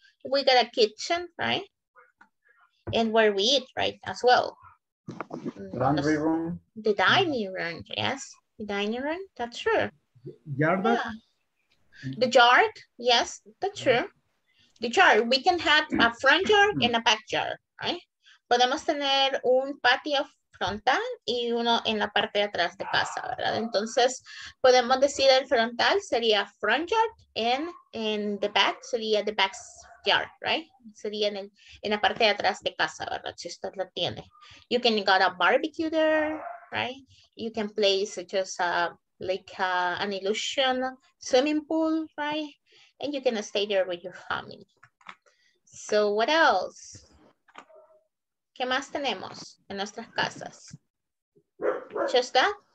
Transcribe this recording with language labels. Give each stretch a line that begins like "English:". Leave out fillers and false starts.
English: We got a kitchen, right? And where we eat, right, as well. Laundry room. The dining room, yes. The dining room, that's true. Yard? Yeah. The yard, yes, that's true. The yard, we can have a front yard and a back yard, right?
Spanish: Podemos tener un patio frontal y uno en la parte de atrás de casa, ¿verdad? Entonces, podemos decir el frontal sería
English: front yard and in the back
Spanish: sería
English: the back yard, right?
Spanish: Sería en la parte de atrás de casa, ¿verdad? Si usted la tiene.
English: You can got a barbecue there, right? You can place just an illusion swimming pool, right? And you can stay there with your family. So what else?
Spanish: ¿Qué más tenemos en nuestras casas?
English: Just that?